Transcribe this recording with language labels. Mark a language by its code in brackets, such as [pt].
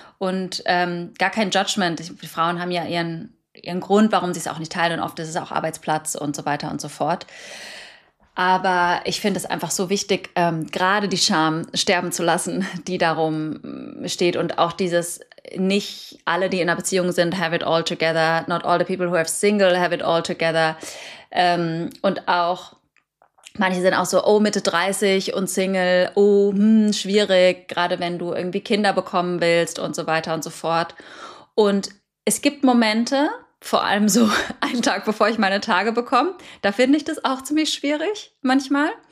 [de] Und gar kein Judgment. Die Frauen haben ja ihren Grund, warum sie es auch nicht teilen. Und oft ist es auch Arbeitsplatz und so weiter und so fort. Aber ich finde es einfach so wichtig, gerade die Scham sterben zu lassen, die darum steht. Und auch dieses, nicht alle, die in einer Beziehung sind, [en] have it all together. Not all the people who are single have it all together. [de] Und auch, manche sind auch so, oh, Mitte 30 und Single, oh, schwierig, gerade wenn du irgendwie Kinder bekommen willst und so weiter und so fort. Und es gibt Momente, vor allem so einen Tag, bevor ich meine Tage bekomme, da finde ich das auch ziemlich schwierig manchmal.